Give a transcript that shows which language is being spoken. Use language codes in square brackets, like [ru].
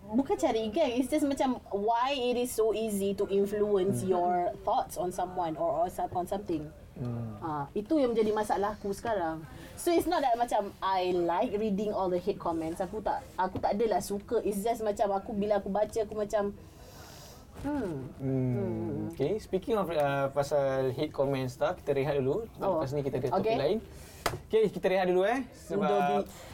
[en] Bukan cari geng, it's just macam why it is so easy to influence your thoughts on someone or on something. [ms] Itu yang menjadi masalah aku sekarang. [en] So it's not that macam I like reading all the hate comments. [ms] Aku tak adalah suka. It's just macam aku bila aku baca aku macam Okay, speaking of pasal hate comments tu, kita rehat dulu. Lepas ni kita ada topik lain. Okay, kita rehat dulu sebab